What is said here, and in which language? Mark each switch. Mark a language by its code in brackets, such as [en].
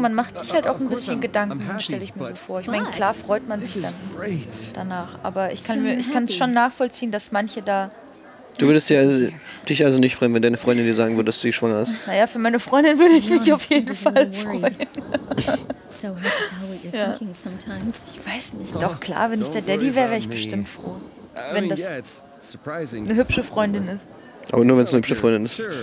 [de] Man macht sich halt auch ein bisschen Gedanken, stelle ich mir so vor. Ich meine, klar freut man sich dann danach. Aber ich kann es schon nachvollziehen, dass manche da... Du würdest dich also nicht freuen, wenn deine Freundin dir sagen würde, dass sie schwanger ist? Naja, für meine Freundin würde ich mich auf jeden Fall freuen. [en] So hard to tell what you're thinking sometimes. [de] Ich weiß nicht. Doch, klar, wenn ich der Daddy wäre, wäre ich bestimmt froh. Wenn das eine hübsche Freundin ist. Aber nur, wenn es eine hübsche Freundin ist.